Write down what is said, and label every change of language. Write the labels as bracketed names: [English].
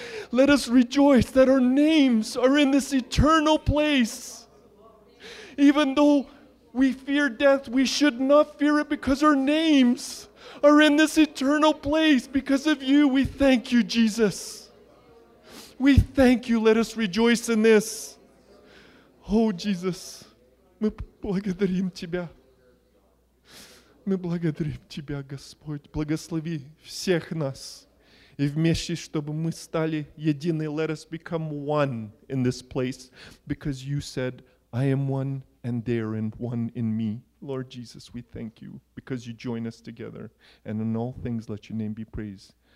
[English] Let us rejoice that our names are in this eternal place. Even though we fear death, we should not fear it because our names are in this eternal place. Because of you, we thank you, Jesus. We thank you. Let us rejoice in this. Oh, Jesus, [Russian] мы благодарим тебя. Мы благодарим тебя, Господь. Благослови всех нас. И вместе, чтобы мы стали едины, [English] let us become one in this place, because you said, I am one, and they are one in me. Lord Jesus, we thank you, because you join us together, and in all things let your name be praised.